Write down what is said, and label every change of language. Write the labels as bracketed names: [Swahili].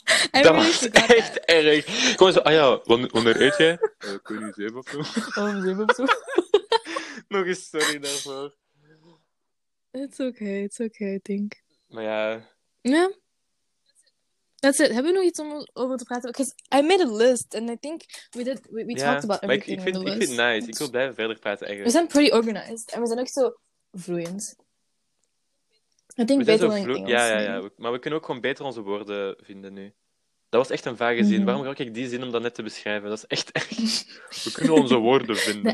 [Dutch] Dat was echt erg. Gewoon zo, ah ja, wanneer eet jij? Kun je 7 of zo? Oh, 7 of zo? Nog eens sorry daarvoor. [English] It's okay, I think. [Dutch] Maar ja... [English] Ja. That's it. [Dutch] Hebben we nog iets om over te praten? [English] Because I made a list, and I think we did we talked about everything on the list. [Dutch] Ik vind het nice. Ik wil blijven verder praten, eigenlijk. We zijn [English] pretty organized. [Dutch] En we zijn ook zo vloeiend. [English] I think [Dutch] beter dan Engels. Ja. Maar we kunnen ook gewoon beter onze woorden vinden nu. Dat was echt een vage zin. Mm-hmm. Waarom gebruik ik die zin om dat net te beschrijven? Dat is echt erg. We kunnen onze woorden vinden.